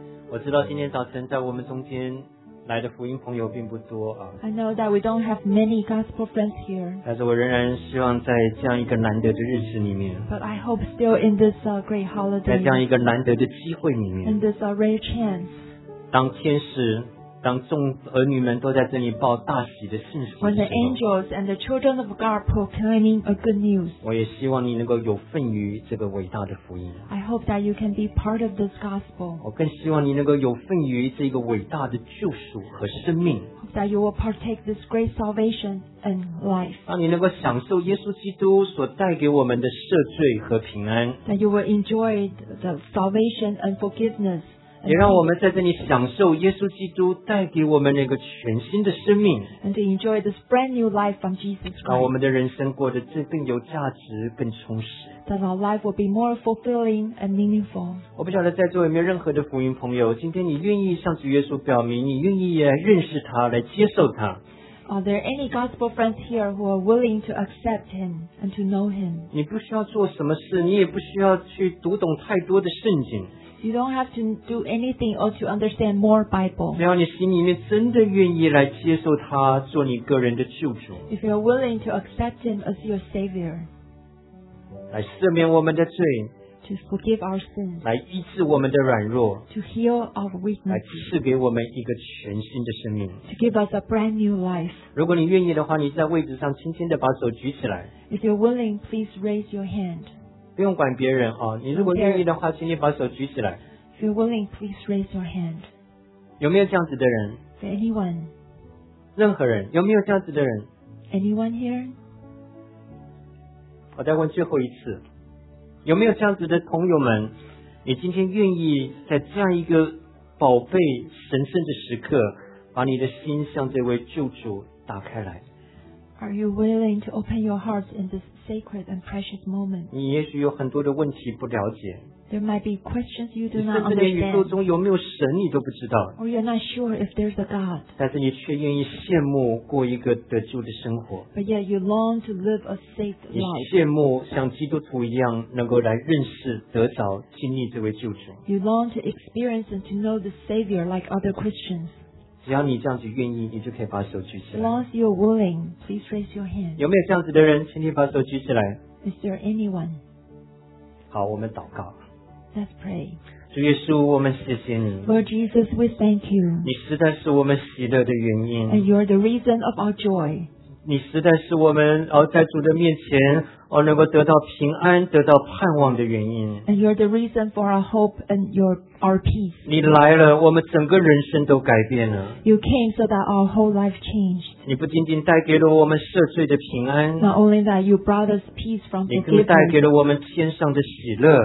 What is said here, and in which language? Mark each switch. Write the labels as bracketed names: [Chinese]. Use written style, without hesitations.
[Chinese] 我知道今天早晨在我们中间来的福音朋友并不多啊。 [English] I know that we don't have many gospel friends here。 [Chinese] 但是我仍然希望在这样一个难得的日子里面。 [English] But I hope still in this great holiday。 [Chinese] 在这样一个难得的机会里面。 [English] In this rare chance。 [Chinese] 当天使，当众儿女们都在这里报大喜的信息。 [English] When the angels and the children of God are proclaiming a good news。 [Chinese] 我也希望你能够有份于这个伟大的福音。 [English] I hope that you can be part of this gospel。 [Chinese] 我更希望你能够有份于这个伟大的救赎和生命。 [English] Hope that you will partake this great salvation and life。 [Chinese] 让你能够享受耶稣基督所带给我们的赦罪和平安。 [English] That you will enjoy the salvation and forgiveness。 [Chinese] 也让我们在这里享受耶稣基督带给我们那个全新的生命。 [English] And to enjoy this brand new life from Jesus Christ. [Chinese] 让我们的人生过得更有价值，更充实。 [English] That our life will be more fulfilling and meaningful. [Chinese] 我不晓得在座有没有任何的福音朋友，今天你愿意向主耶稣表明，你愿意来认识他，来接受他。 [English] Are there any gospel friends here who are willing to accept him and to know him? [Chinese] 你不需要做什么事，你也不需要去读懂太多的圣经。 [English] You don't have to do anything or to understand more Bible. [Chinese] 只要你心里面真的愿意来接受他做你个人的救主。 [English] If you're willing to accept him as your savior. [Chinese] 来赦免我们的罪。 [English] To forgive our sins. [Chinese] 来医治我们的软弱。 [English] To heal our weakness. [Chinese] 来赐给我们一个全新的生命。 [English] To give us a brand new life. [Chinese] 如果你愿意的话，你在位置上轻轻地把手举起来。 [English] If you're willing, please raise your hand. [Chinese] 不用管别人啊，你如果愿意的话，请你把手举起来。 [English] If you're willing, please raise your hand. [Chinese] 有没有这样子的人 [English] ？For anyone. [Chinese] 任何人，有没有这样子的人 [English] ？Anyone here? [Chinese] 我再问最后一次，有没有这样子的朋友们？你今天愿意在这样一个宝贝神圣的时刻，把你的心向这位救主打开来？ [English] Are you willing to open your heart in this sacred and precious moment? [Chinese] 你也许有很多的问题不了解。 [English] There might be questions you do not understand. [Chinese] 甚至连宇宙中有没有神你都不知道。 [English] Or you're not sure if there's a God. [Chinese] 但是你却愿意羡慕过一个得救的生活。 [English] But yet you long to live a saved life. [Chinese] 你羡慕像基督徒一样能够来认识、得着、经历这位救主。 [English] You long to experience and to know the Savior like other Christians. [Chinese] 只要你这样子愿意，你就可以把手举起来。 [English] As long as you're willing, please raise your hand. [Chinese] 有没有这样子的人，请你把手举起来。 [English] Is there anyone? [Chinese] 好，我们祷告。 [English] Let's pray. [Chinese] 主耶稣，我们谢谢你。 [English] Lord Jesus, we thank you. [Chinese] 你实在是我们喜乐的原因。 [English] And you're the reason of our joy. [Chinese] 你实在是我们在主的面前能够得到平安、得到盼望的原因。 [English] And you're the reason for our hope and our peace. [Chinese] 你来了，我们整个人生都改变了。 [English] You came so that our whole life changed. [Chinese] 你不仅仅带给了我们赦罪的平安。 [English] Not only that, you brought us peace from forgiveness. [Chinese] 你更带给了我们天上的喜乐。